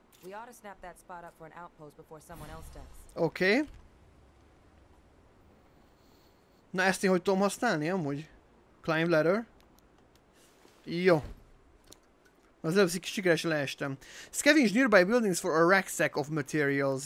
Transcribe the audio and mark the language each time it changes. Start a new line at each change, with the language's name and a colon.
English: We ought to snap that spot up for an outpost before someone else does. Okay.
Hungarian: Na ezt én hogy tudom használni amúgy?
English: Climb ladder.
Hungarian: Jó. Az előbb sikeresen leestem.
English: Scavenge nearby buildings for a rucksack of materials.